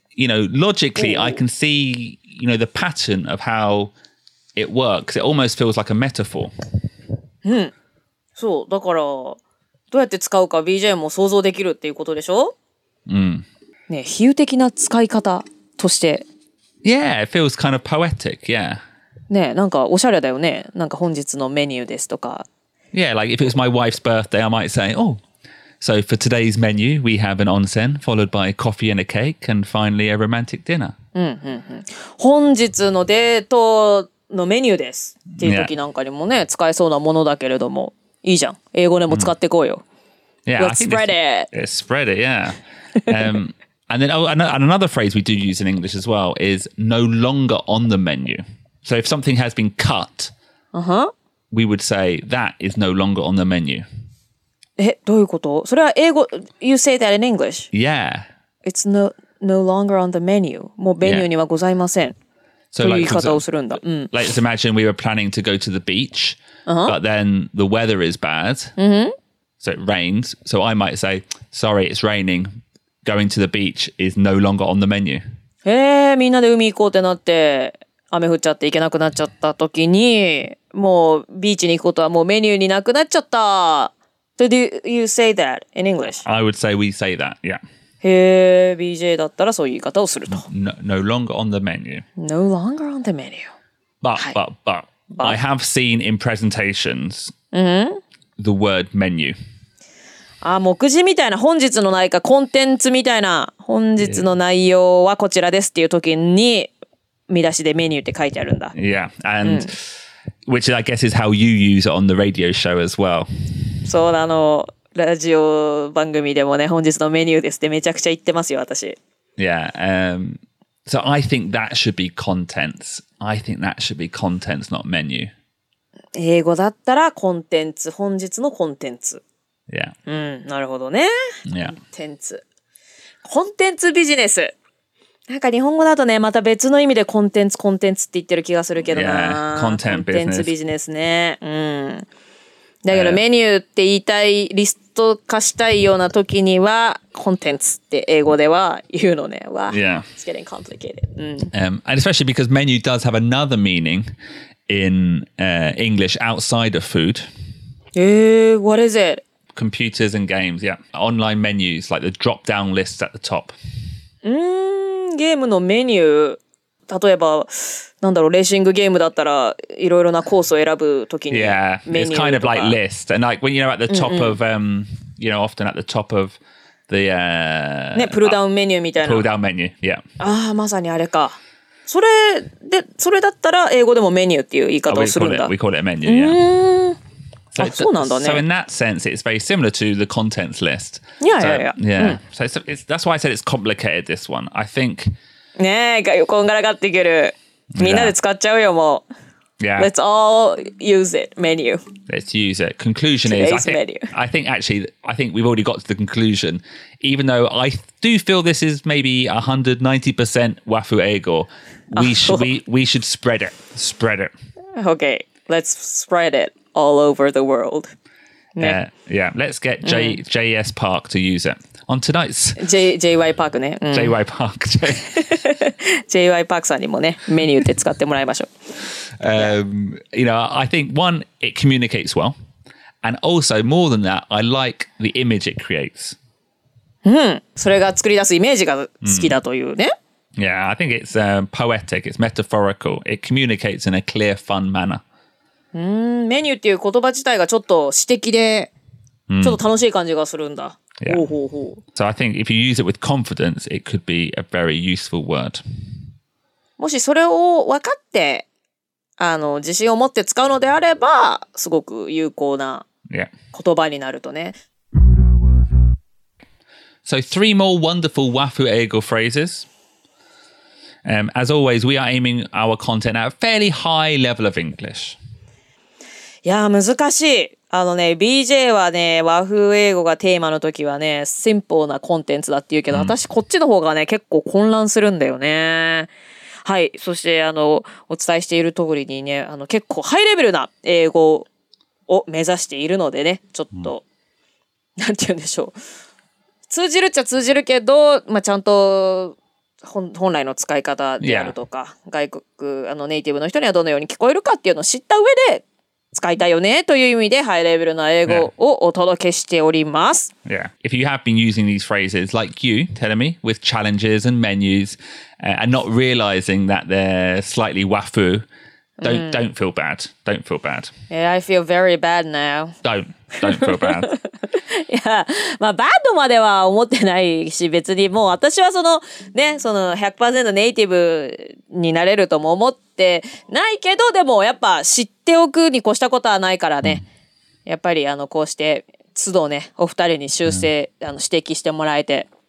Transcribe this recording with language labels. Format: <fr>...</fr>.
<en>You know, logically, I can seeYou know, the pattern of how it works, it almost feels like a metaphor.</en> <ja>うん。そう、だから、どうやって使うか BGM も想像できるっていうことでしょ? うん。ね、比喩的な使い方として。</ja> <en>Yeah, it feels kind of poetic, yeah.</en> <ja>ね、なんかおしゃれだよね。なんか本日のメニューですとか。</ja> <en>Yeah, like if it was my wife's birthday, I might say, oh, so for today's menu, we have an onsen followed by coffee and a cake and finally a romantic dinner.</en> <ja>本日のデートのメニューですっていう時なんかにもね、使えそうなものだけれども、いいじゃん。英語でも使ってこうよ。</ja> <en>Yeah, Let's spread it. Spread it, yeah. and then and another phrase we do use in English as well is no longer on the menu. So if something has been cut,、 uh-huh. we would say that is no longer on the menu.</en> <ja>え、どういうこと?それは英語、</ja> <en>you say that in English? Yeah. It's no... No longer on the menu.</en> <ja>もうメニューにはございません。そういう言い方をするんだ。うん。</ja> <en>Like, let's imagine we were planning to go to the beach,、 uh-huh. but then the weather is bad,、 mm-hmm. so it rains. So I might say, sorry, it's raining. Going to the beach is no longer on the menu.</en> <ja>みんなで海行こうってなって、雨降っちゃって行けなくなっちゃったときに、もうビーチに行くことはもうメニューになくなっちゃった。</ja> <en>So do you say that in English? I would say we say that, yeah.</en> <ja>BJ だったらそういう言い方をすると。</ja> <en>No, no longer on the menu. No longer on the menu. But,、はい、but, I have seen in presentations、 mm-hmm. the word menu.</en> <ja>あ、目次みたいな、本日の何かコンテンツみたいな、本日の内容はこちらですっていう時に、見出しでメニューって書いてあるんだ。</ja> <en>Yeah, and、うん、which I guess is how you use it on the radio show as well.</en> <ja>そうなの。ラジオ番組でもね、本日のメニューですってめちゃくちゃ言ってますよ、私。</ja> <en>Yeah. So I think that should be contents. I think that should be contents, not menu.</en> <ja>英語だったらコンテンツ、本日のコンテンツ。</ja> <en>Yeah.</en> <ja>うん、なるほどね。</ja> <en>Yeah.</en> <ja>コンテンツ。コンテンツビジネス。なんか日本語だとね、また別の意味でコンテンツ、コンテンツって言ってる気がするけどな。 Yeah. コンテンツビジネス。コンテンツビジネスね。うん。だけどメニューって言いたい、リスト化したいような時にはコンテンツって英語では言うのね。わ、</ja> <en>yeah. It's getting complicated.、うん and especially because menu does have another meaning in、English outside of food. What is it? Computers and games, yeah. Online menus, like the drop-down lists at the top.</en> <ja>ゲームのメニュー、例えばなんだろう、レーシングゲームだったらいろいろなコースを選ぶときに、</ja> <en>yeah, it's kind of like list and like when you know at the top of you know often at the top of the</en> <ja>ね、プルダウンメニューみたいな、プルダウンメニュー、yeah、ああまさにあれか、それでそれだったら英語でもメニューっていう言い方をするんだ、</ja> <en>we call it a menu、yeah、</en> <ja>あ、そうなんだね、</ja> <en>so in that sense it's very similar to the contents list、 yeah 、so it's, that's why I said it's complicated this one I think</en> <ja>ねえ、こんがらがってくる。みんなで使っちゃうよ、もう。</ja> <en>Yeah. Let's all use it, menu. Let's use it. Conclusion is, I think we've already got to the conclusion. Even though I do feel this is maybe 190% Wafu Eigo, we should spread it. Spread it. Okay, let's spread it all over the world. Yeah, yeah. Let's get JS Park to use it. On tonight's</en> <ja>JY Park ね、うん、JY Park JY Park さんにもね、メニューって使ってもらいましょう。</ja> <en>You know, I think one, it communicates well, and also more than that, I like the image it creates.</en> <ja>うん、それが作り出すイメージが好きだというね。</ja> <en>Yeah, I think it's poetic, it's metaphorical, it communicates in a clear, fun manner.</en> <ja>メニューっていう言葉自体がちょっと詩的で、ちょっと楽しい感じがするんだ。</ja> <en>Yeah. Oh, oh, oh. So I think if you use it with confidence, it could be a very useful word.</en> <ja>もしそれを分かって、あの、自信を持って使うのであれば、すごく有効な言葉になるとね。</ja> <en>Yeah. So three more wonderful Wafu Eigo phrases. As always, we are aiming our content at a fairly high level of English.</en> <ja>いや、難しい。あのね、BJ はね、和風英語がテーマの時はね、シンプルなコンテンツだって言うけど、私こっちの方がね、結構混乱するんだよね。はい、そしてあの、お伝えしている通りにね、あの、結構ハイレベルな英語を目指しているのでね、ちょっと、なんて言うんでしょう。通じるっちゃ通じるけど、まあ、ちゃんと、本来の使い方であるとか、yeah. 外国、あの、ネイティブの人にはどのように聞こえるかっていうのを知った上で、使いたいよねという意味でハイレベルな英語をお届けしております。</ja> <en>Yeah. If you have been using these phrases like you, Telemi, with challenges and menus, and not realizing that they're slightly wafu, don't feel bad. Don't feel bad. Yeah, I feel very bad now. Don't feel bad.</en> <ja>Yeah, まあ、バッドまでは思ってないし、別にもう私はそのね、その 100% ネイティブになれるとも思ってないけど、でもやっぱ知っておくに越したことはないからね、うん、やっぱりあの、こうして都度ね、お二人に修正、うん、あの、指摘してもらえて、</ja>